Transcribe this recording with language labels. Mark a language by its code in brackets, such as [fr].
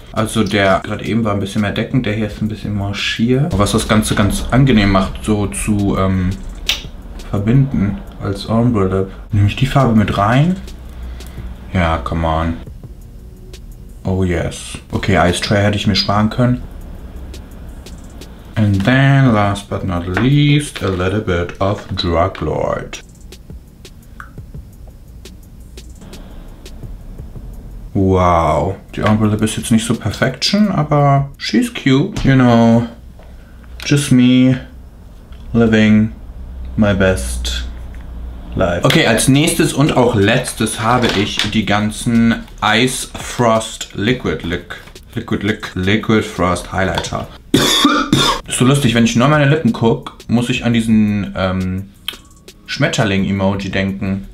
[de] Also der gerade eben war ein bisschen mehr deckend. Der hier ist ein bisschen mehr schier. Was das Ganze ganz angenehm macht, so zu verbinden als Ombre Lip. Nehme ich die Farbe mit rein? Ja, [en] come on. Oh yes. [de] Okay, Ice Tray hätte ich mir sparen können. [en] And then, last but not least, a little bit of Drug Lord. [de] Wow, die Ombre Lip ist jetzt nicht so perfection, aber [en] she's cute. You know, just me living my best life. [de] Okay, als nächstes und auch letztes habe ich die ganzen Ice Frost Liquid Lick. Liquid Frost Highlighter. Ist so lustig, wenn ich nur meine Lippen gucke, muss ich an diesen Schmetterling-Emoji denken.